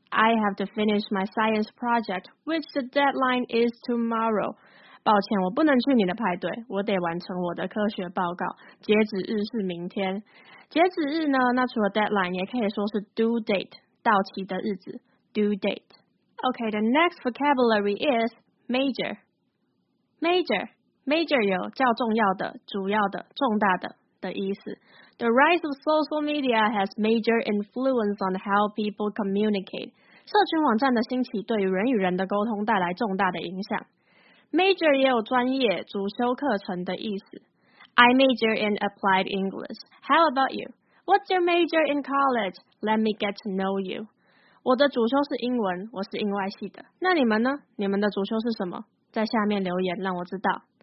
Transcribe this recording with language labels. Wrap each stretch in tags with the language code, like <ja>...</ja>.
<en>I have to finish my science project, which the deadline is tomorrow.</en> <zh>抱歉，我不能去你的派对，我得完成我的科学报告，截止日是明天。截止日呢？那除了 deadline， 也可以说是 due date， 到期的日子 ，due date。</zh> <en>Okay, the next vocabulary is major. Major.</en> <zh>Major 有较重要的、主要的、重大的的意思。</zh> <en>The rise of social media has major influence on how people communicate.</en> <zh>社群网站的兴起对于人与人的沟通带来重大的影响。 Major 也有专业、主修课程的意思。</zh> <en>I major in applied English. How about you? What's your major in college? Let me get to know you.</en> <zh>我的主修是英文，我是英外系的。那你们呢？你们的主修是什么？在下面留言让我知道。</zh>